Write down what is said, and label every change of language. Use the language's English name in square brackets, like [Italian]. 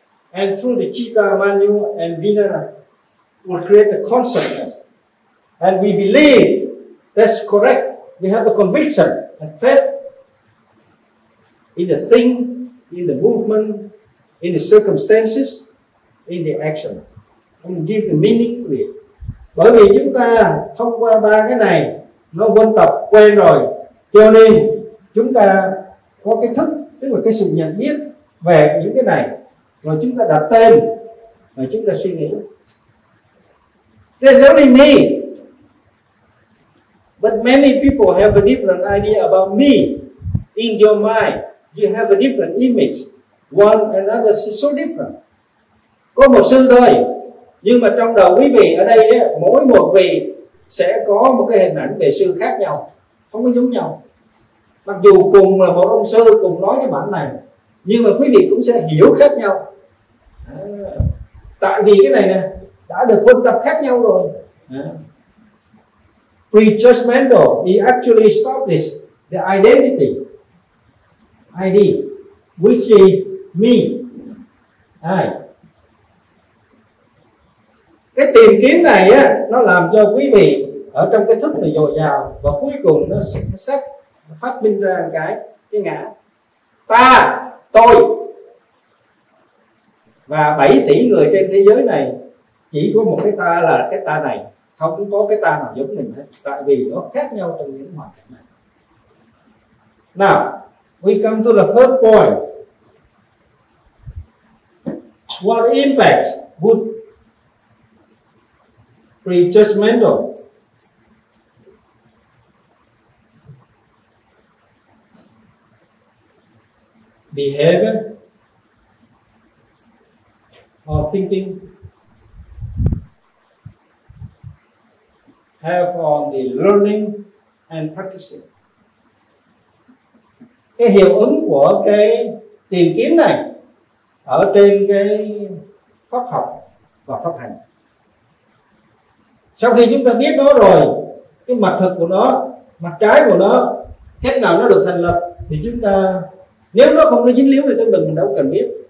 [English] And through the chitta, manu and vinyana, we create the consciousness. And we believe that's correct. We have the conviction and faith in the thing, in the movement, in the circumstances, in the action. And give the meaning to it. [Vietnamese] Bởi vì chúng ta thông qua ba cái này, nó quen tập quen rồi, cho nên chúng ta có cái thức, tức là cái sự nhận biết về những cái này, rồi chúng ta đặt tên, rồi chúng ta suy nghĩ. [English] There's only me, but many people have a different idea about me. In your mind, you have a different image. One another is so different. [Vietnamese] Có một sư thôi, nhưng mà trong đầu quý vị ở đây, mỗi một vị sẽ có một cái hình ảnh về sư khác nhau, không có giống nhau. Mặc dù cùng là một ông sư cùng nói cái bản này, nhưng mà quý vị cũng sẽ hiểu khác nhau. Tại vì cái này nè, đã được quân tập khác nhau rồi. [English] Prejudgmental, he actually stops the identity, ID, which is me, I. [Vietnamese] Cái tìm kiếm này á, nó làm cho quý vị ở trong cái thức này dồi dào, và cuối cùng nó xác phát minh ra cái ngã ta, tôi. Và 7 tỷ người trên thế giới này chỉ có một cái ta, là cái ta này, không có cái ta nào giống mình hết, tại vì nó khác nhau trong những hoàn cảnh này. [English] Now we come to the third point. What impact would prejudgmental behavior or thinking have on the learning and practicing? [Vietnamese] Cái hiệu ứng của cái tìm kiếm này ở trên cái pháp học và pháp hành, sau khi chúng ta biết nó rồi, cái mặt thực của nó, mặt trái của nó, cách nào nó được thành lập, thì chúng ta nếu nó không có dính líu thì tâm đừng, mình đâu cần biết.